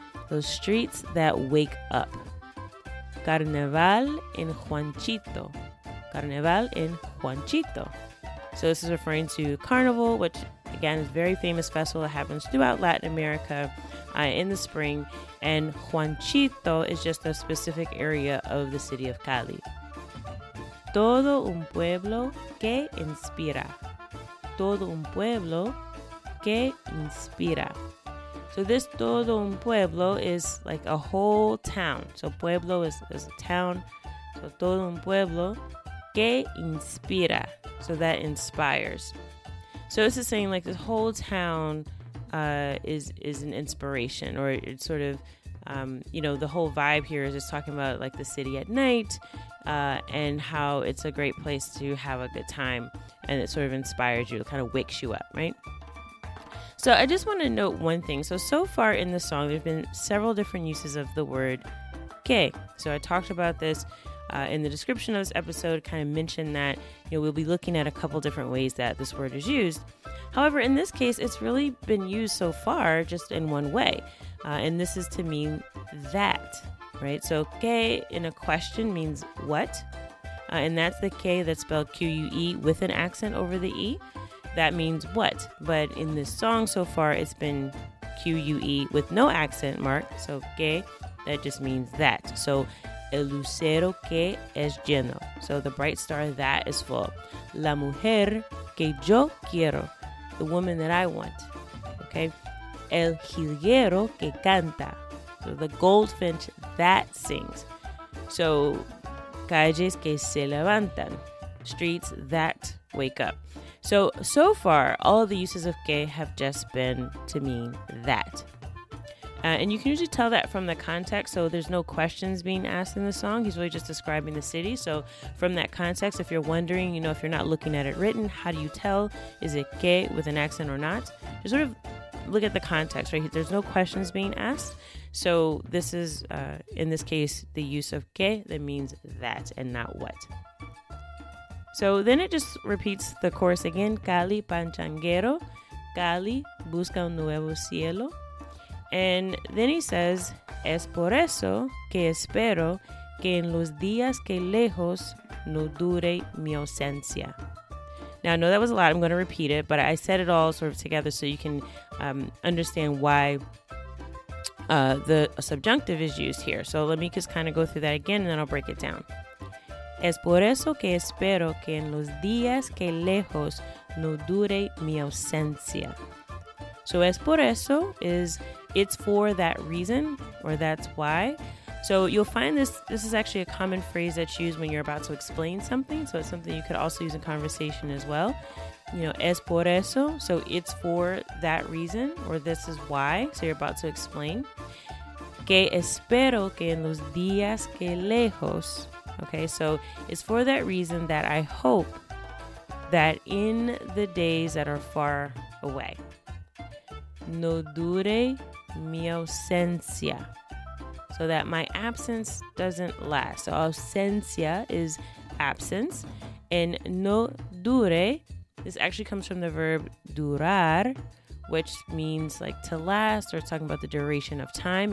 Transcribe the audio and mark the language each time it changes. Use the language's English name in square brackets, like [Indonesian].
[English] Those streets that wake up. [Spanish] Carnaval en Juanchito. [English] Carnaval in Juanchito. So this is referring to Carnival, which, again, is a very famous festival that happens throughout Latin America in the spring. And Juanchito is just a specific area of the city of Cali. [Spanish] Todo un pueblo que inspira. Todo un pueblo que inspira. [English] So this [Spanish] todo un pueblo [English] is like a whole town. So pueblo is a town. [Spanish] So todo un pueblo que inspira. [English] So that inspires. So this is saying like this whole town is an inspiration, or it's sort of, you know, the whole vibe here is just talking about like the city at night and how it's a great place to have a good time, and it sort of inspires you, it kind of wakes you up, right? So I just want to note one thing. So far in the song, there's been several different uses of the word que. So I talked about this in the description of this episode, kind of mentioned that, you know, we'll be looking at a couple different ways that this word is used. However, in this case, it's really been used so far just in one way. And this is to mean that, right? So que in a question means what. And that's the que that's spelled Q-U-E with an accent over the E. That means what. But in this song so far, it's been Q-U-E with no accent mark. So que, that just means that. [Spanish] So el lucero que es lleno. [English] So the bright star that is full. [Spanish] La mujer que yo quiero. [English] The woman that I want. Okay. [Spanish] El jilguero que canta. [English] So the goldfinch that sings. So [Spanish] calles que se levantan. [English] Streets that wake up. So far, all of the uses of que have just been to mean that. And you can usually tell that from the context. So there's no questions being asked in the song. He's really just describing the city. So from that context, if you're wondering, you know, if you're not looking at it written, how do you tell? Is it que with an accent or not? Just sort of look at the context, right? There's no questions being asked. So this is, in this case, the use of que that means that and not what. So then it just repeats the chorus again. [Spanish] Cali, Pachanguero. Cali, busca un nuevo cielo. [English] And then he says, [Spanish] es por eso que espero que en los días que lejos no dure mi ausencia. [English] Now, I know that was a lot. I'm going to repeat it, but I said it all sort of together so you can understand why the subjunctive is used here. So let me just kind of go through that again, and then I'll break it down. [Spanish] Es por eso que espero que en los días que lejos no dure mi ausencia. So es por eso is... [English] it's for that reason, or that's why. So you'll find this is actually a common phrase that's used when you're about to explain something. So it's something you could also use in conversation as well. You know, [Spanish] es por eso. [English] So it's for that reason, or this is why. So you're about to explain. [Spanish] Que espero que en los días que lejos. [English] Okay, so it's for that reason that I hope that in the days that are far away. [Spanish] No dure mi ausencia, [English] so that my absence doesn't last. So ausencia is absence, and [Spanish] no dure, [English] this actually comes from the verb durar, which means like to last, or it's talking about the duration of time.